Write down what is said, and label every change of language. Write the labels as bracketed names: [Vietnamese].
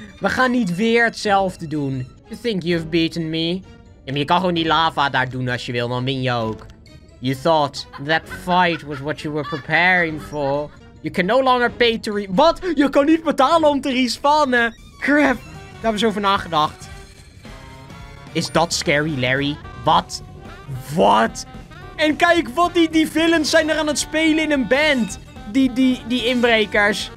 [Dutch] We gaan niet weer hetzelfde doen. [English] You think you've beaten me? [Dutch] Ja, maar je kan gewoon die lava daar doen als je wil. Dan win je ook. [English] You thought that fight was what you were preparing for. You can no longer pay to respawn. [Dutch] Wat? Je kan niet betalen om te respawnen. Crap. Daar hebben ze over nagedacht. Is dat Scary Larry? Wat? Wat? En kijk, wat die villains zijn er aan het spelen in een band. Die inbrekers.